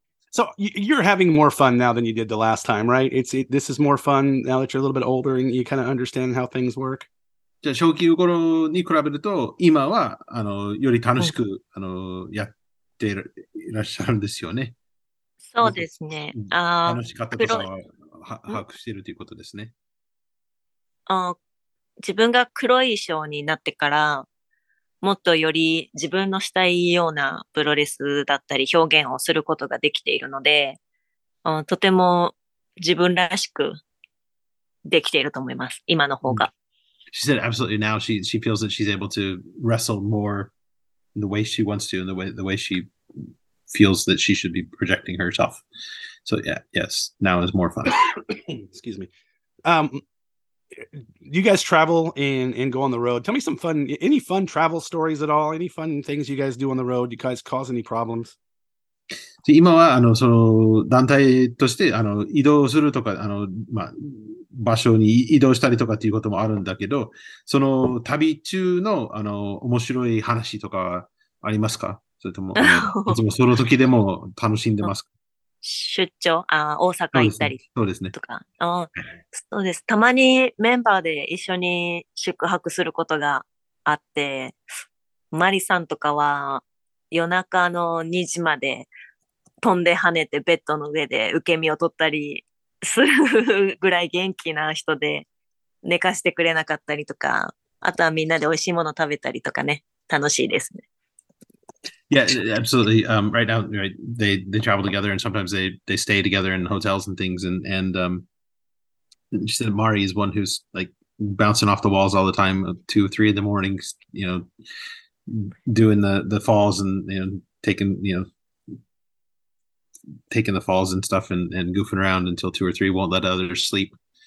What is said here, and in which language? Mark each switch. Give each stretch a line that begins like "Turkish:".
English: So you're having more fun now than you did the last time, right? This is more fun now that you're a little bit older and you kind of understand how things work.
Japanese: じゃあ、初期頃に比べると、今は、より楽しく、やっていらっしゃるんですよね。そうですね。楽しかったことは把握しているということですね。自分が黒い衣装になってから、もっとより自分のしたいようなプロレスだったり表現をすることができているので、とても自分らしくできていると思います。今の方が。
English: She said absolutely now she feels that she's able to wrestle more the way she wants to and the way she feels that she should be projecting herself. So yeah, yes, now is more fun. Excuse me. You guys travel and go on the road. Tell me some fun, any fun travel stories at all? Any fun things you guys do on the road? You guys cause any problems?
Japanese: 今はその団体として移動するとか場所に移動したりとかっていうこともあるんだけど、その旅中の面白い話とかありますか？それともいつもその時でも楽しんでますか？出張、大阪行ったりとか。そうですね。そうです。たまにメンバーで一緒に宿泊することがあって、マリさんとかは夜中の2時まで飛んで跳ねてベッドの上で受け身を取ったりするぐらい元気な人で寝かしてくれなかったりとか、あとはみんなで美味しいもの食べたりとかね、楽しいですね。
English: Yeah, absolutely. Right now, right, they travel together and sometimes they stay together in hotels and things. And she said Mari is one who's like bouncing off the walls all the time, 2 or 3 in the morning, doing the falls and, taking the falls and stuff and goofing around until 2 or 3 won't let others sleep.